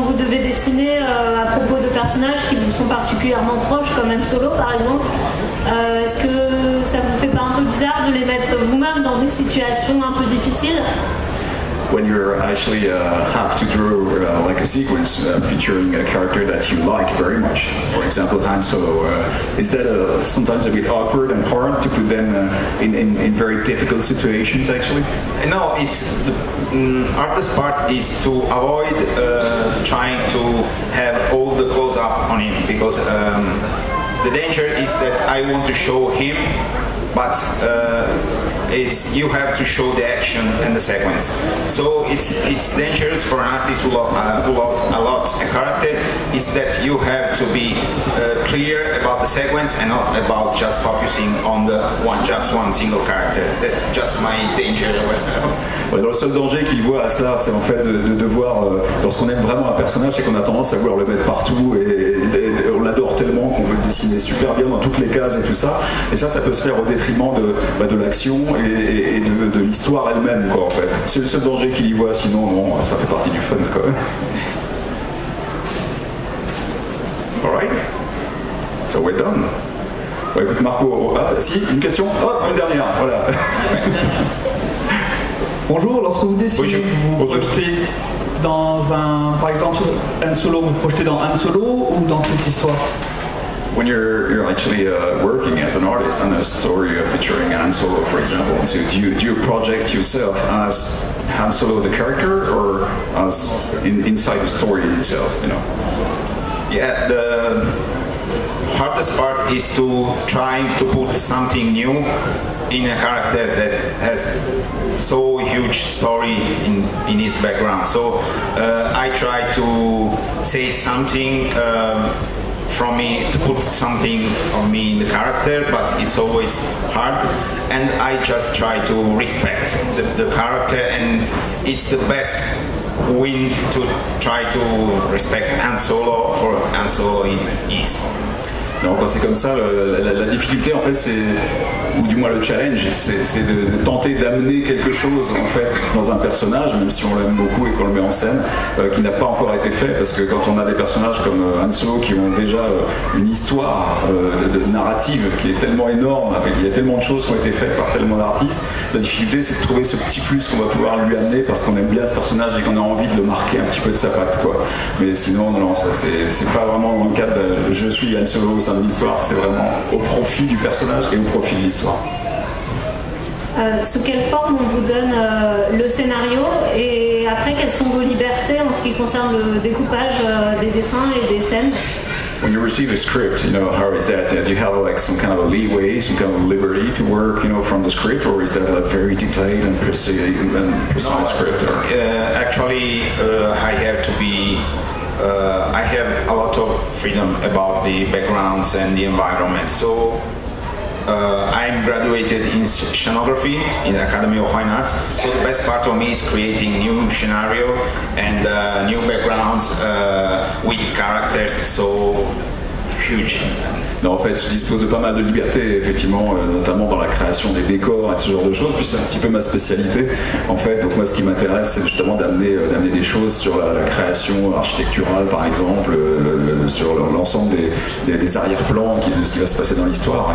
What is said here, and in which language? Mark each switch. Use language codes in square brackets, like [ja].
[fr] Dessiner à propos de personnages qui vous sont particulièrement proches, comme Han Solo par exemple, est-ce que ça vous fait pas un peu bizarre de les mettre vous-même dans des situations un peu difficiles? [en] When you actually have to draw like a sequence featuring a character that you like very much, for example Han Solo, is that sometimes a bit awkward and hard to put them in very difficult situations actually? No, it's the hardest part is to avoid trying to have all the close up on him, because the danger is that I want to show him, but it's you have to show the action and the sequence. So it's dangerous for an artist who loves a lot a character, is that you have to be clear about the sequence and not about just focusing on the one, just one single character. That's just my danger. [fr] Ouais, le seul danger qu'il voit à cela, c'est en fait de voir, lorsqu'on aime vraiment un personnage, c'est qu'on a tendance à vouloir le mettre partout et on l'adore tellement qu'on veut le dessiner super bien dans toutes les cases et tout ça. Et ça peut se faire au détriment de l'action et de l'histoire elle-même, quoi, en fait. C'est le seul danger qu'il y voit, sinon, bon, ça fait partie du fun, quoi. [en] Alright. So we're done. [fr] Ouais, écoute, Marco, une question. Hop, une dernière, voilà. Bonjour, lorsque vous décidez de vous projeter dans un, par exemple, Han Solo, vous projetez dans Han Solo ou dans toute l'histoire? [en] When you're actually working as an artist on a story featuring Han Solo, for example, so do you project yourself as Han Solo the character or as inside the story itself, you know? Yeah, the hardest part is to try to put something new in a character that has so huge story in his background. So I try to say something from me, to put something of me in the character, but it's always hard. And I just try to respect the character, and it's the best win to try to respect Han Solo for Han Solo is. [fr] Donc quand c'est comme ça, la difficulté en fait, c'est, ou du moins le challenge, c'est de tenter d'amener quelque chose en fait dans un personnage, même si on l'aime beaucoup et qu'on le met en scène, qui n'a pas encore été fait, parce que quand on a des personnages comme Han Solo qui ont déjà une histoire narrative qui est tellement énorme, avec, il y a tellement de choses qui ont été faites par tellement d'artistes, la difficulté c'est de trouver ce petit plus qu'on va pouvoir lui amener parce qu'on aime bien ce personnage et qu'on a envie de le marquer un petit peu de sa patte, quoi. Mais sinon, non, ça c'est pas vraiment dans le cadre de « je suis Han Solo » au sein de l'histoire, c'est vraiment au profit du personnage et au profit de l'histoire. Sous quelle forme on vous donne le scénario et après quelles sont vos libertés en ce qui concerne le découpage des dessins et des scènes? [en] When you receive a script, you know, how is that? Do you have like some kind of a leeway, some kind of liberty to work, you know, from the script, or is that a very detailed and precise no, script? Actually, I have to be. I have a lot of freedom about the backgrounds and the environment. So I'm graduated in scenography in the Academy of Fine Arts. So the best part of me is creating new scenario and new backgrounds with characters so huge. [fr] Non, en fait, je dispose de pas mal de liberté, effectivement, notamment dans la création des décors et ce genre de choses, puis c'est un petit peu ma spécialité, en fait. Donc moi, ce qui m'intéresse, c'est justement d'amener des choses sur la création architecturale, par exemple, sur l'ensemble des arrière-plans de ce qui va se passer dans l'histoire.